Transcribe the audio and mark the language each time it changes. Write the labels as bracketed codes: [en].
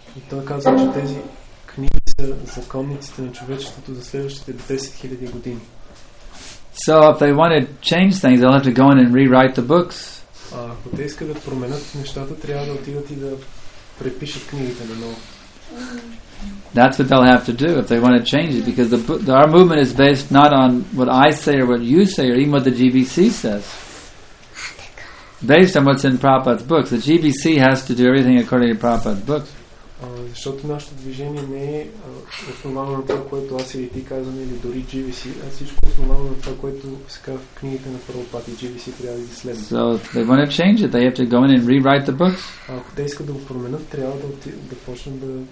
[bg] И той казва, че тези книги са законниците на човечеството за следващите 10,000 години. [en] So if they want to change things, they'll have to go in and rewrite the books. [bg] Ако те искат да променят нещата, трябва да отидат и да препишат книгите наново. [en] That's what they'll have to do if they want to change it, because our movement is based not on what I say or what you say or even what the GBC says, based on what's in Prabhupada's books. The GBC has to do everything according to Prabhupada's books. [bg] Защото нашето движение не е основано на това, което аз или ти казвам, или дори GBC, а всичко основано на това, което се казва в книгите на Прабхупада, и GBC трябва да ги следва. [en] So if they want to change it, they have to go in and rewrite the books. [bg] Ако те искат да го променят, трябва да почнем да.